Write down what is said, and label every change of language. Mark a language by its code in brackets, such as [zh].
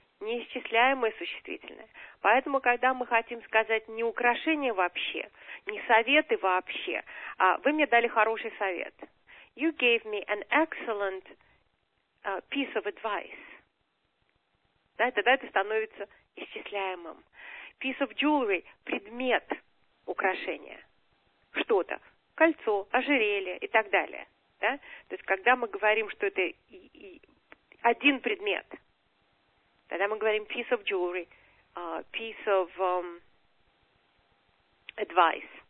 [ru] Неисчисляемое существительное. Поэтому, когда мы хотим сказать не украшение вообще, не советы вообще, а вы мне дали хороший совет. [en] You gave me an excellent piece of advice. [ru] Да, тогда это становится исчисляемым. [en] Piece of jewelry [ru] – предмет украшения. Что-то. Кольцо, ожерелье и так далее. Да? То есть, когда мы говорим, что это один предмет – тогда мы говорим [en] piece of jewelry, piece of advice.